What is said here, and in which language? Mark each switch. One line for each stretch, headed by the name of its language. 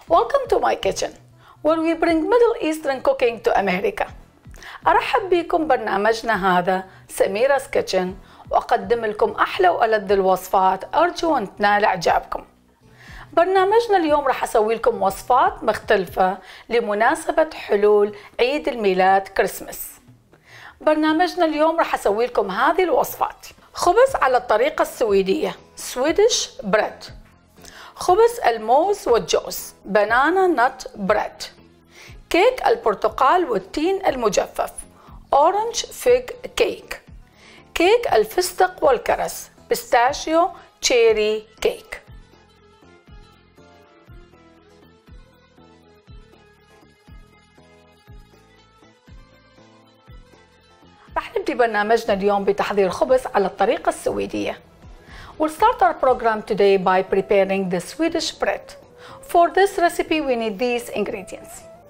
English: Welcome to my kitchen, where we bring Middle Eastern cooking to America.
Arabic: أرحب بكم برنامجنا هذا سميرة's Kitchen وأقدم لكم أحلى وألذ الوصفات أرجو أن تنال إعجابكم. برنامجنا اليوم رح أسوي لكم وصفات مختلفة لمناسبة حلول عيد الميلاد كريسمس. برنامجنا اليوم رح أسوي لكم هذه الوصفات: خبز على الطريقة السويدية Swedish bread، خبز الموز والجوز banana nut bread، كيك البرتقال والتين المجفف orange fig cake، كيك الفستق والكرز pistachio cherry cake. رح نبدأ برنامجنا اليوم بتحضير خبز على الطريقة السويدية.
English: We'll start our program today by preparing the Swedish bread. For this recipe, we need these ingredients.